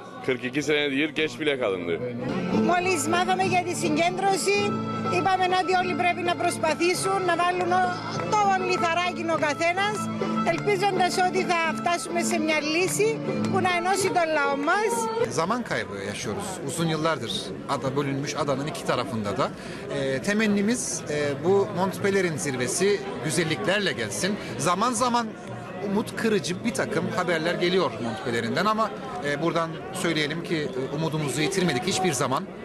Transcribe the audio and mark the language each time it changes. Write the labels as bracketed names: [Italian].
[Turkish] 42 senedir geç bile kalındı. [Greek] Μόλις μάθαμε για τη συγκέντρωση, είπαμε ότι όλοι πρέπει να προσπαθήσουν να βάλουν το λιθαράκι ο καθένας, ελπίζοντας ότι θα φτάσουμε σε μια λύση που να ενώσει τον λαό μας. [Turkish] Zaman kaybı yaşıyoruz. Uzun yıllardır ada bölünmüş, adanın iki tarafında da. Temennimiz bu Montpellier'in zirvesi güzelliklerle gelsin. Zaman zaman umut kırıcı bir takım haberler geliyor Montpellier'inden ama buradan söyleyelim ki umudumuzu yitirmedik hiçbir zaman.